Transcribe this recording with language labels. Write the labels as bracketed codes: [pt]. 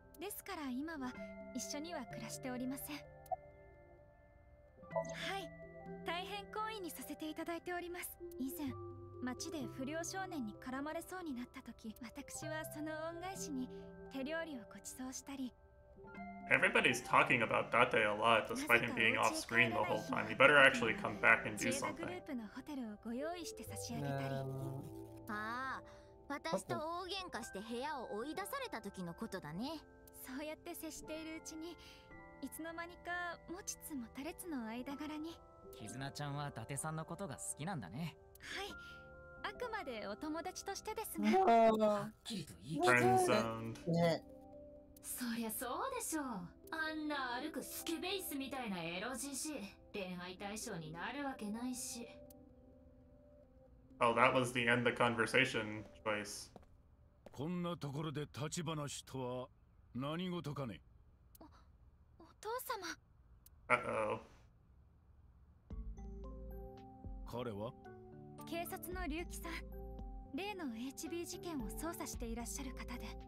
[ja] ですから今は一緒には暮らしておりません。はい、大変好意にさせていただいております。以前町で不良少年に絡まれそうになった時、私はその恩返しに手料理をご馳走したり。 [en] Everybody's talking about Date a lot, despite him being off screen the whole time. You better actually come back and do something. [ja] 中学グループのホテルをご用意して差し上げたり。ああ、私と大喧嘩して部屋を追い出された時のことだね。そうやって接しているうちに、いつの間にか持ちつ持たれつの間柄に。キズナちゃんは伊達さんのことが好きなんだね。はい、あくまでお友達としてですが、はっきりと言い切れない。ね、そりゃそうでしょう。あんな歩くスケベイスみたいなエロじじい、恋愛対象になるわけないし。 [en] Oh, that was the end of the conversation choice. [ja] こんなところで立ち話とは何事かね。お父様。 [en] Uh-oh. [ja] 彼は？警察の龍騎さん、例の HB 事件を捜査していらっしゃる方で。